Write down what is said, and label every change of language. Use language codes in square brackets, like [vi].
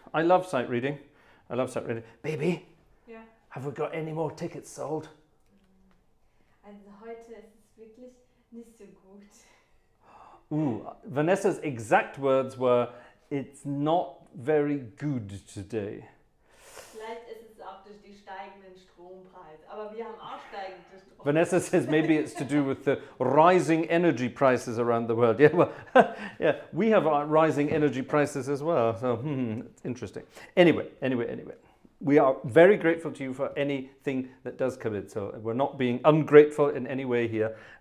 [en] I love sight reading. I love sight reading. Baby? Yeah? Have we got any more tickets sold? [de] And heute ist wirklich nicht so gut. [en] Ooh, Vanessa's exact words were, it's not very good today. [de] Vielleicht ist es auch durch die steigenden Strompreise, aber wir haben auch steigende Strompreise. [en] Vanessa says maybe it's to do with the rising energy prices around the world. Yeah, well, yeah, we have our rising energy prices as well. So, it's interesting. Anyway. We are very grateful to you for anything that does come in. So we're not being ungrateful in any way here.